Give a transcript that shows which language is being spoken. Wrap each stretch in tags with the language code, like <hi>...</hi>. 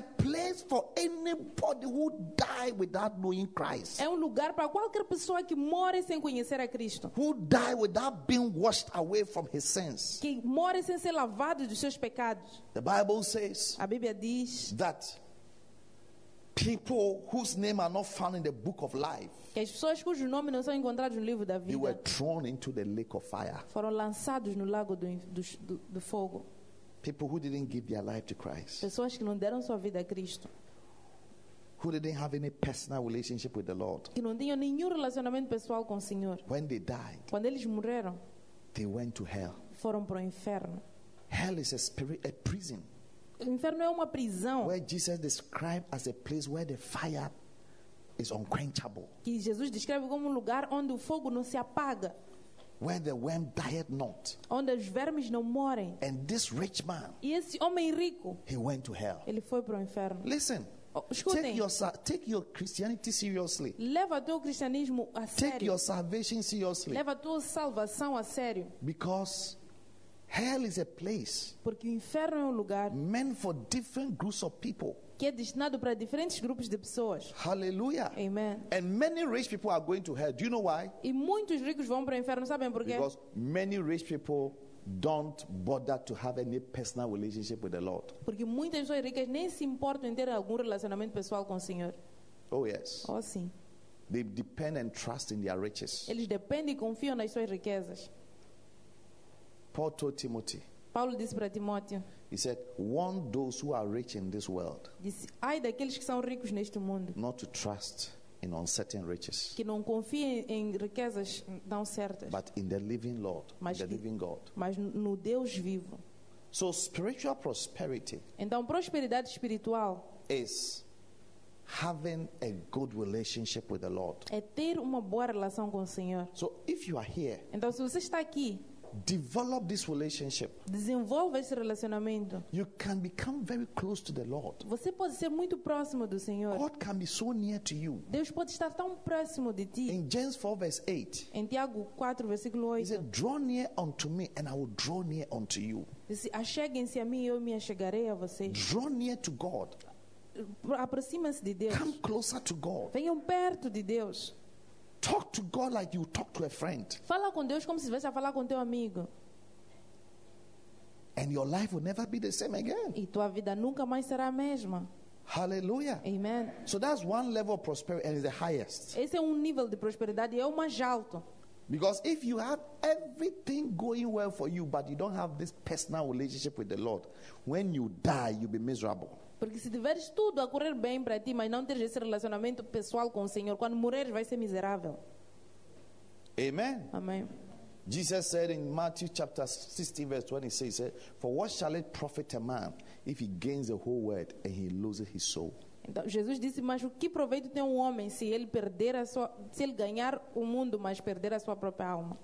<en>It's a place for anybody who die without knowing Christ.</en> <pt>É lugar para qualquer pessoa que morre sem conhecer a Cristo.</pt> <en>Who die without being washed away. Away from his sins.</en> <pt>Que morre sem ser lavado dos seus pecados.</pt> <en>The Bible says.</en> <pt>A Bíblia diz.</pt> <en>That people whose name are not found in the book of life.</en> <pt>Que as pessoas cujos nomes não são encontrados no livro da vida.</pt> <en>They were thrown into the lake of fire.</en> <pt>Foram lançados no lago do fogo.</pt> <en>People who didn't give their life to Christ.</en> <pt>Pessoas que não deram sua vida a Cristo.</pt> <en>Who didn't have any personal relationship with the Lord.</en> <pt>Que não tinham nenhum relacionamento pessoal com o Senhor.</pt> <en>When they died.</en> <pt>Quando eles morreram.</pt> <en>They went to hell.</en> <pt>Foram para o inferno.</pt> <en>Hell is a spirit, a prison.</en> <pt>O inferno é uma prisão.</pt> <en>Where Jesus described as a place where the fire is unquenchable.</en> <pt>Que Jesus descreve como lugar onde o fogo não se apaga.</pt> <en>Where the worm dieth not.</en> <pt>Onde os vermes não morrem.</pt> <en>And this rich man.</en> <pt>E esse homem rico.</pt> <en>He went to hell.</en> <pt>Ele foi para o inferno.</pt> <en>Listen. Take your Christianity seriously.</en> <pt>Leva teu cristianismo a sério.</pt> <en>Take your salvation seriously.</en> <pt>Leva tua salvação a sério.</pt> <en>Because hell is a place.</en> <pt>Porque o inferno é lugar.</pt> <en>Meant for different groups of people.</en> <pt>Que é destinado para diferentes grupos de pessoas.</pt> <en>Hallelujah. Amen. And many rich people are going to hell. Do you know why?</en> <pt>E muitos ricos vão para o inferno, sabem por quê?</pt> <en>Because many rich people don't bother to have any personal relationship with the Lord.</en> <pt>Porque muitas pessoas ricas nem se importam em ter algum relacionamento pessoal com o Senhor.</pt> <en>Oh yes.</en> <pt>Oh sim.</pt> <en>They depend and trust in their riches.</en> <pt>Eles dependem e confiam nas suas riquezas.</pt> <en>Paul told Timothy.</en> <pt>Paulo disse para Timóteo.</pt> <en>He said, "Warn those who are rich in this world."</en> <pt>Disse, ai daqueles que são ricos neste mundo.</pt> <en>Not to trust in uncertain riches.</en> <pt>Que não confiem em riquezas não certas.</pt> <en>But in the living Lord, mas the living God.</en> <pt>Mas no Deus vivo.</pt> <en>So spiritual prosperity.</en> <pt>Então prosperidade espiritual.</pt> <en>Is having a good relationship with the Lord.</en> <pt>É ter uma boa relação com o Senhor.</pt> <en>So if you are here.</en> <pt>Então se você está aqui.</pt> <en>Develop this relationship.</en> <pt>Desenvolva esse relacionamento.</pt> <en>You can become very close to the Lord.</en> <pt>Você pode ser muito próximo do Senhor.</pt> <en>God can be so near to you.</en> <pt>Deus pode estar tão próximo de ti.</pt> <en>In James 4 verse 8.</en> <pt>Em Tiago 4 versículo 8.</pt> <en>He said, "Draw near unto me, and I will draw near unto you."</en> <pt>Disse, acheguem-se a mim e eu me achegarei a vocês.</pt> <en>Draw near to God.</en> <pt>Aproxima-se de Deus.</pt> <en>Come closer to God.</en> <pt>Venham perto de Deus.</pt> <en>Talk to God like you talk to a friend.</en> <pt>Fala com Deus como se estivesse a falar com teu amigo.</pt> <en>And your life will never be the same again.</en> <pt>E tua vida nunca mais será a mesma.</pt> <en>Hallelujah. Amen. So that's one level of prosperity and it's the highest.</en> <pt>Esse é nível de prosperidade e é o mais alto.</pt> <en>Because if you have everything going well for you but you don't have this personal relationship with the Lord, when you die you'll be miserable.</en> <pt>Porque se tiveres tudo a correr bem para ti, mas não teres esse relacionamento pessoal com o Senhor, quando morreres vai ser miserável.</pt> <en>Amen.</en> <pt>Amém.</pt> <en>Jesus said in Matthew chapter 16 verse 26, said, "For what shall it profit a man if he gains the whole world and he loses his soul?"</en> <pt>Então Jesus disse, mas o que proveito tem um homem se ele perder a sua, se ele ganhar o mundo, mas perder a sua própria alma?</pt>